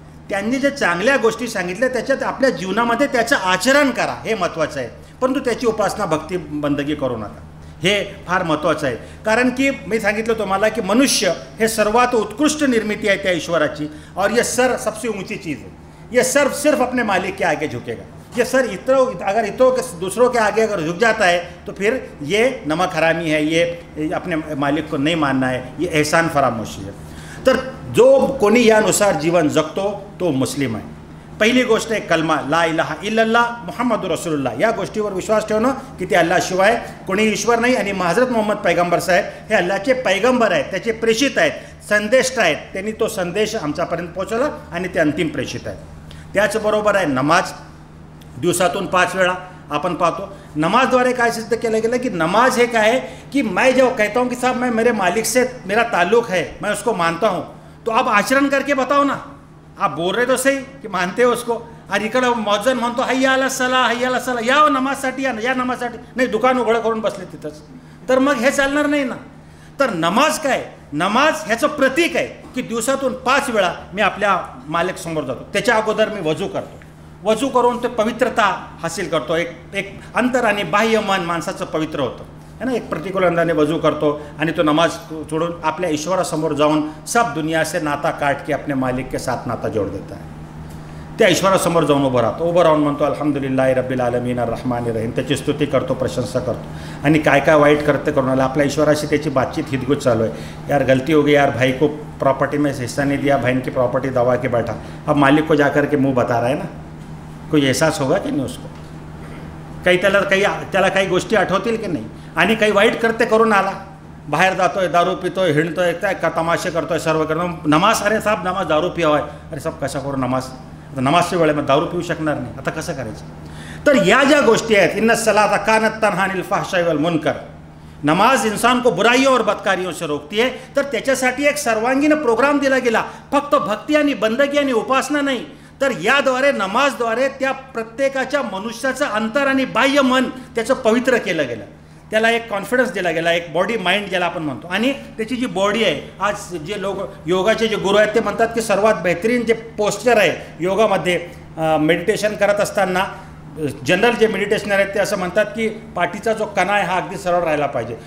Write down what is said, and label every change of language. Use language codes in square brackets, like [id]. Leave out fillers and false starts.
[mr] त्यांनी ज्या चांगल्या गोष्टी सांगितल्या त्याच्यात आपल्या जीवनामध्ये त्याचं आचरण करा, हे महत्त्वाचं आहे. परंतु त्याची उपासना भक्ती बंदगी करू नका, हे फार महत्त्वाचं आहे. कारण की मी सांगितलं तुम्हाला की मनुष्य हे सर्वात उत्कृष्ट निर्मिती आहे त्या ईश्वराची, [hi] और ये सर सबसे ऊंची चीज [mr] आहे. [hi] ये सर सिर्फ अपने मालिक के आगे झुकेगा. ये सर अगर इतरों के दूसरों के आगे अगर झुक जाता है तो फिर ये नमक हरामी है, ये अपने मालिक को नहीं मानना है, ये एहसान फरामोशी है. [mr] तर जो कोणी यानुसार जीवन जगतो तो मुस्लिम आहे. पहिली गोष्ट आहे कलमा, [ar] ला इलाहा इल्लल्ला मुहम्मदुर रसूलुल्लाह, [mr] या गोष्टीवर विश्वास ठेवणं की ते अल्लाशिवाय कोणी ईश्वर नाही, आणि हजरत मोहम्मद पैगंबर साहेब हे अल्लाचे पैगंबर आहेत, त्याचे प्रेषित आहेत, संदेष्ट आहेत, त्यांनी तो संदेश आमच्यापर्यंत पोहोचवला आणि ते अंतिम प्रेषित आहेत. त्याचबरोबर आहे नमाज, दिवसातून 5 वेळा आपण पाहतो. नमाजद्वारे काय सिद्ध केलं गेलं की नमाज हे काय आहे की [hi] मैं जो कहता हूँ की साहब मैं मेरे मालिक से मेरा ताल्लुक है, मैं उसको मानता हूँ, तो आप आचरण करके बताओ ना. आप बोल रहे तो सही की मानते हो उसको, [mr] और इकडे मौजन म्हणतो [ar] हय्याला सला हय्याला सला, [mr] याव नमाज साठी या नमाज साठी, नाही दुकान उघडं करून बसले तिथंच, तर मग हे चालणार नाही ना. तर नमाज काय, नमाज ह्याचं प्रतीक आहे की दिवसातून 5 वेळा मी आपल्या मालक समोर जातो, त्याच्या अगोदर मी वजू करतो, वजू करून ते पवित्रता हासिल करतो. एक अंतर आणि बाह्य मन माणसाचं पवित्र होतं, आहे ना. एक प्रतिकूल अंदाने वजू करतो आणि तो नमाज सोडून आपल्या ईश्वरासमोर जाऊन [hi] सब दुनिया से नाता काट के अपने मालिक के साथ नाता जोड देता है. [mr] त्या ईश्वरासमोर जाऊन उभं राहतो, उभं राहून म्हणतो [ar] अल्हम्दुलिल्लाह रब्बिल आलमीन अर्रहमान अर्रहीम, [mr] त्याची स्तुती करतो, प्रशंसा करतो, आणि काय काय वाईट करते करून आला, आपल्या ईश्वराशी त्याची बातचीत हितगुज चालू आहे. [hi] यार गलती हो गई, यार भाई को प्रॉपर्टी में हिस्सा नहीं दिया, बहन की प्रॉपर्टी दबा के बैठा, अब मालिक को जाकर के मुँह बता रहा है ना, कोई एहसास होगा कि नहीं उसको, [mr] काही त्याला काही गोष्टी आठवतील की नाही. आणि काही वाईट करते करून आला, बाहेर जातोय, दारू पितोय, हिंडतोय, काय का तमाशे करतोय, सर्व करतो, नमाज, अरे साहेब नमाज दारू पियावाय, अरे साहेब कसा करू नमाज, आता नमाजच्या वेळेला मग दारू पिऊ शकणार नाही, आता कसं करायचं. तर या ज्या गोष्टी आहेत, [ar] इन्न सलात कानत तनहानिल फहशाय वल मुनकर, [hi] नमाज इन्सान को बुराईयों और बदकारियों से रोकती है. [mr] तर त्याच्यासाठी एक सर्वांगीण प्रोग्राम दिला गेला, फक्त भक्ती आणि बंदगी आणि उपासना नाही, तर याद्वारे नमाजद्वारे त्या प्रत्येकाच्या मनुष्याचं अंतर आणि बाह्य मन त्याचं पवित्र केलं गेलं, त्याला एक कॉन्फिडन्स दिला गेला, एक बॉडी माइंड ज्याला आपण म्हणतो, आणि त्याची जी बॉडी आहे, आज जे लोक योगाचे जे गुरु आहेत ते म्हणतात की सर्वात बेहतरीन जे पोस्चर आहे योगामध्ये, मेडिटेशन करत असताना जनरल जे मेडिटेशनर आहेत ते असं म्हणतात की पाठीचा जो कणा आहे हा अगदी सरळ राहिला पाहिजे.